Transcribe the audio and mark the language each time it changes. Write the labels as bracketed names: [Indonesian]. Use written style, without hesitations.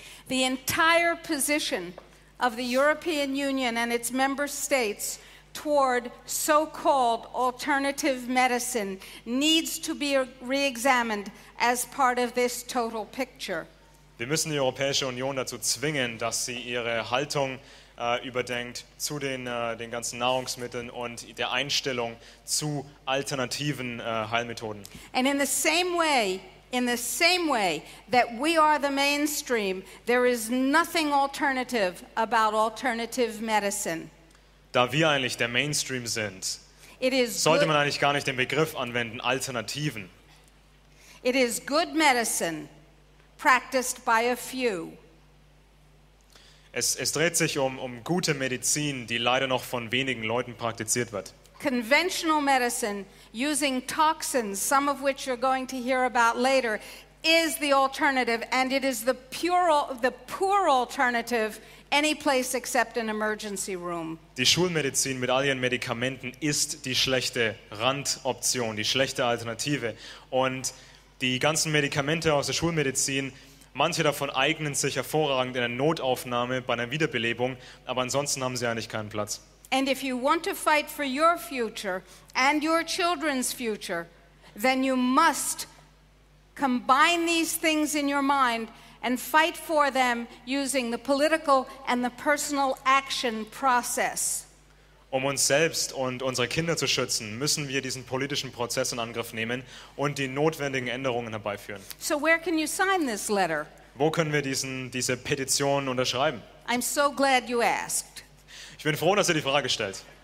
[English] The entire position of the European Union and its member states toward so-called alternative medicine needs to be re-examined as part of this total picture. [German] Wir müssen die Europäische Union dazu zwingen, dass sie ihre Haltung überdenkt zu den ganzen Nahrungsmitteln und der Einstellung zu alternativen Heilmethoden. [English] And in the same way that we are the mainstream, there is nothing alternative about alternative medicine. [German] Da wir eigentlich der Mainstream sind, sollte man eigentlich gar nicht den Begriff anwenden, Alternativen. [English] It is good medicine practiced by a few. [German] Es dreht sich um gute Medizin, die leider noch von wenigen Leuten praktiziert wird. [English] Conventional medicine using toxins, some of which you're going to hear about later, is the alternative and it is the poor alternative any place except an emergency room. [German] Die Schulmedizin mit all ihren Medikamenten ist die schlechte Randoption, die schlechte Alternative. Und Die ganzen Medikamente aus der Schulmedizin, manche davon eignen sich hervorragend in einer Notaufnahme bei einer Wiederbelebung, aber ansonsten haben sie eigentlich keinen Platz. [English] And if you want to fight for your future and your children's future, then you must combine these things in your mind and fight for them using the political and the personal action process. [German] Um uns selbst und unsere Kinder zu schützen, müssen wir diesen politischen Prozess in Angriff nehmen und die notwendigen Änderungen herbeiführen. [English] So where can you sign this letter? [German] Wo können wir diese Petition unterschreiben? [English] I'm so glad you asked. [German] Ich bin froh, dass ihr die Frage stellt.